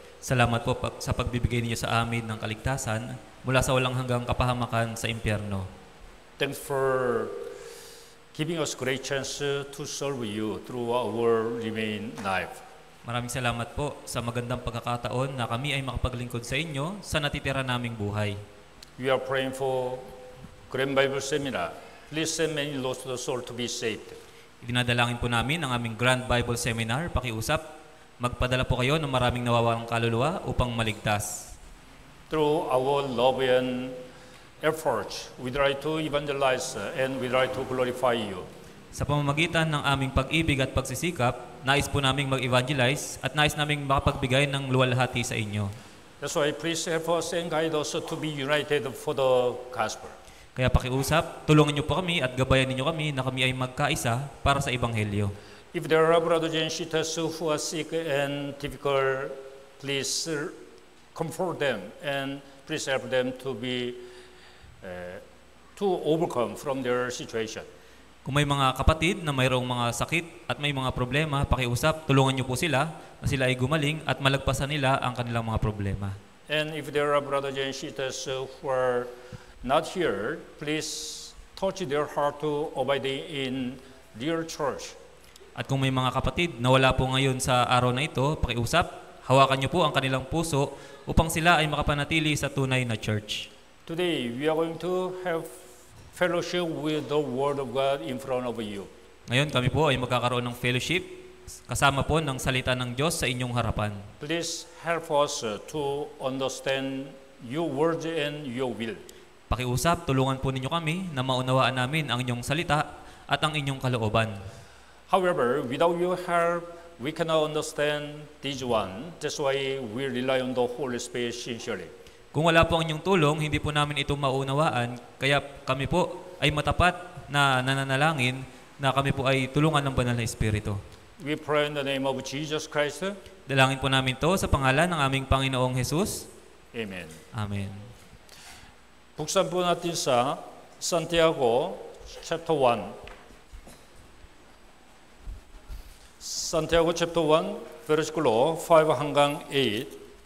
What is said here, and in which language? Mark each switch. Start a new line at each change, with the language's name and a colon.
Filipino: Salamat po sa pagbibigay niyo sa amin ng kaligtasan mula sa walang hanggang kapahamakan sa impyerno.
English: Thanks for giving us great chance to serve you through our remaining life.
Filipino: Maraming salamat po sa magandang pagkakataon na kami ay makapaglingkod sa inyo sa natitira naming buhay.
English: We are praying for Grand Bible Seminar. Please send many lost to the soul to be saved.
Filipino: Idinadalangin po namin ang aming Grand Bible Seminar. Pakiusap, magpadala po kayo ng maraming nawawalang kaluluwa upang maligtas.
English: Through our love and efforts, we try to evangelize and we try to glorify you.
Filipino: Sa pamamagitan ng aming pag-ibig at pagsisikap, nais po naming mag-evangelize at nais naming makapagbigay ng luwalhati sa inyo.
English: That's why please help us and guide us to be united for the gospel.
Filipino: Kaya pakiusap, tulungan niyo po kami at gabayan niyo kami na kami ay magkaisa para sa Ebanghelyo.
English: If there are brothers and sisters who are sick and difficult, please comfort them and please help them to overcome from their situation.
Filipino: Kung may mga kapatid na mayroong mga sakit at may mga problema, pakiusap, tulungan niyo po sila na sila ay gumaling at malagpasan nila ang kanilang mga problema.
English: And if there are brothers and sisters who are not here, please touch their heart to abide in their church.
Filipino: At kung may mga kapatid na wala po ngayon sa araw na ito, pakiusap, hawakan niyo po ang kanilang puso upang sila ay makapanatili sa tunay na church.
English: Today, we are going to have fellowship with the Word of God in front of you.
Filipino: Ngayon kami po ay magkakaroon ng fellowship kasama po ng salita ng Diyos sa inyong harapan.
English: Please help us to understand your words and your will.
Filipino: Pakiusap, tulungan po ninyo kami na maunawaan namin ang inyong salita at ang inyong kalooban.
English: However, without your help, we cannot understand this one. That's why we rely on the Holy Spirit sincerely.
Filipino: Kung wala po ang inyong tulong, hindi po namin ito maunawaan, kaya kami po ay matapat na nananalangin na kami po ay tulungan ng Banal na Espiritu.
English: We pray in the name of Jesus Christ.
Filipino: Dalangin po namin ito sa pangalan ng aming Panginoong Jesus. Amen. Amen. Buksan po natin sa Santiago chapter 1. Santiago chapter 1, versículo 5 hanggang 8.